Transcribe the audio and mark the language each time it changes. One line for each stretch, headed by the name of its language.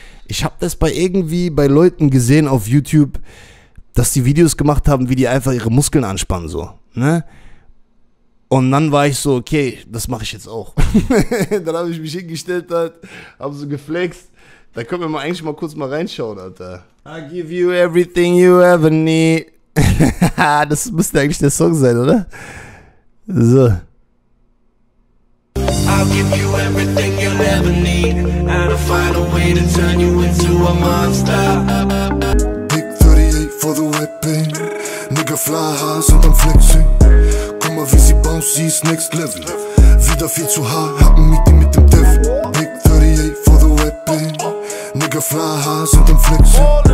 German: Ich habe das bei Leuten gesehen auf YouTube, dass die Videos gemacht haben, wie die einfach ihre Muskeln anspannen so, ne? Und dann war ich so, okay, das mache ich jetzt auch. Dann habe ich mich hingestellt, halt, habe so geflext. Da können wir mal kurz reinschauen, Alter.
English: I give you everything you ever need.
German: Das müsste eigentlich der Song sein, oder? So.
English: I'll give you everything you'll ever need. And I'll find a way to turn you into a monster. Big 38 for the weapon. Nigga fly high, so I'm flexing.
German: Guck mal, wie sie bounce, sie ist next level. Wieder viel zu hart, hab ein Meeting mit dem Dev.
English: Big 38 for the weapon. Nigga fly high, so I'm flexing.